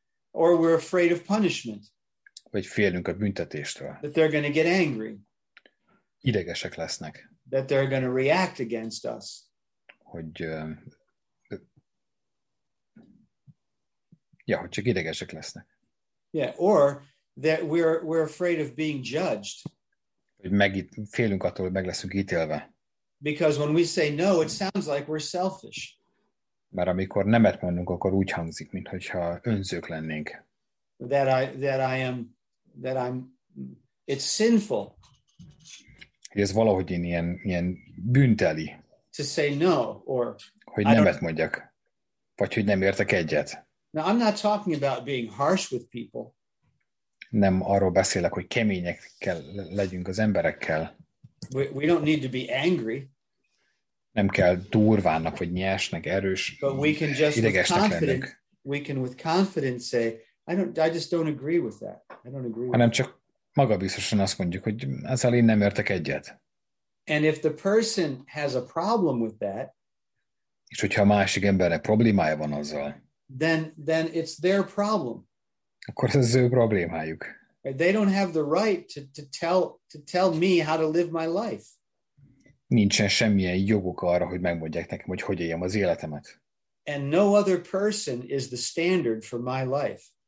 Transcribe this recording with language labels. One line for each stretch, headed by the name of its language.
English: Or we're afraid of punishment.
Hungarian: Vagy félünk a büntetéstől.
English: That they're going to get angry.
Hungarian: Idegesek lesznek.
English: That they're going to react against us.
Hungarian: Hogy csak idegesek lesznek.
English: Yeah, or that we're afraid of being judged.
Hungarian: Félünk attól, hogy meg leszünk ítélve.
English: Because when we say no, it sounds like we're selfish.
Hungarian: Mert amikor nemet mondunk, akkor úgy hangzik, mintha önzők lennénk.
English: That I'm, it's sinful.
Hungarian: Ez valahogy ilyen bűnteli.
English: To say no, or
Hungarian: hogy nemet mondjak, vagy hogy nem értek egyet.
English: Now I'm not talking about being harsh with people.
Hungarian: Nem arról beszélek, hogy kemények kell legyünk az emberekkel.
English: We don't need to be angry.
Hungarian: Nem kell durvának, vagy nyersnek, erős,
English: but we can just
Hungarian: idegesnek
English: with confidence, we can with confidence say, I just don't agree with that. I don't agree.
Hungarian: Hanem csak magabiztosan azt mondjuk, hogy ezzel én nem értek egyet.
English: And if the person has a problem with that,
Hungarian: és hogyha a másik embernek problémája van azzal,
English: then it's their problem.
Hungarian: Akkor ez az ő problémájuk.
English: They don't have the right to tell me how to live my life.
Hungarian: Nincsen semmilyen joguk arra, hogy megmondják nekem, hogy hogy éljem az életemet.
English: And no other person is the standard for my life.